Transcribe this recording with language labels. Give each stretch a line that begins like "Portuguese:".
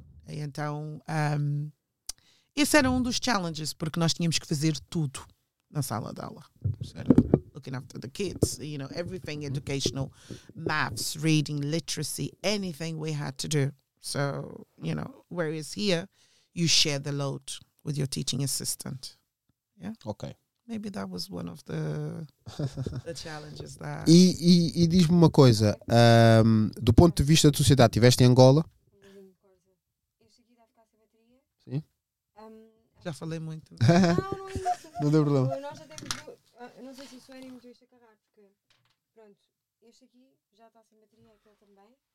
Portuguese: Então, esse era um dos challenges, porque nós tínhamos que fazer tudo na sala de aula. Certo.
English: Looking after the kids, you know, everything educational, maths, reading, literacy, anything we had to do. So, you know, whereas here, you share the load with your teaching assistant. Yeah? Ok. Maybe that was one of the, the challenges that...
Portuguese: E diz-me uma coisa, do ponto de vista da sociedade, estiveste em Angola... Já falei muito. Não deu problema. Nós até temos. Não sei se isso era e meteu isto a cagar, porque. Pronto, este aqui já está sem bateria, aquele também.